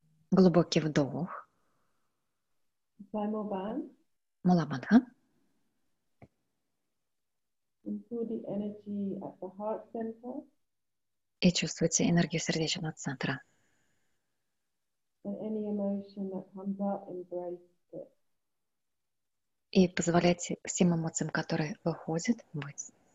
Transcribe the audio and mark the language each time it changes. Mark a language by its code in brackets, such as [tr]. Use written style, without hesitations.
[ru] Глубокий вдох. Муламадха. И чувствуйте энергию сердечного центра. [en] And any emotion that comes up, embrace it. [ru] И позволяйте всем эмоциям, которые выходят, быть.